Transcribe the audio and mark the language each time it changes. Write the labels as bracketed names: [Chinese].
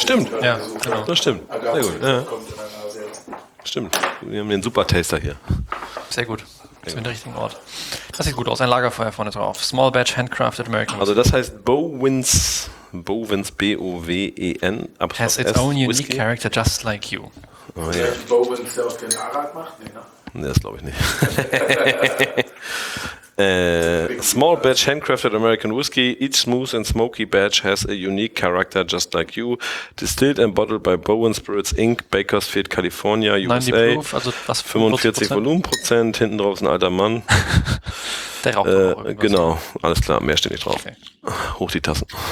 [German] Stimmt, ja, genau. Das stimmt. Sehr gut. Stimmt, wir haben den Super-Taster hier. Sehr gut, sind wir in den richtigen Ort. Das sieht gut aus, ein Lagerfeuer vorne drauf. [English] Small Batch Handcrafted American. [German] Also das heißt Bowens, B-O-W-E-N. [English] Has its own unique Whisky. Character just like you. [German] Oh, ja. Vielleicht Bowens, der auf den Arad macht? Nee, ne? Nee, das glaube ich nicht. [English] Small Batch Handcrafted American Whiskey. Each smooth and smoky batch has a unique character just like you. Distilled and bottled by Bowen Spirits Inc. Bakersfield, California, USA. 90 [German] proof, also was? 45 Volumenprozent. Hinten drauf ist ein alter Mann. Der raucht genau, alles klar, mehr steht nicht drauf. Okay. Hoch die Tassen.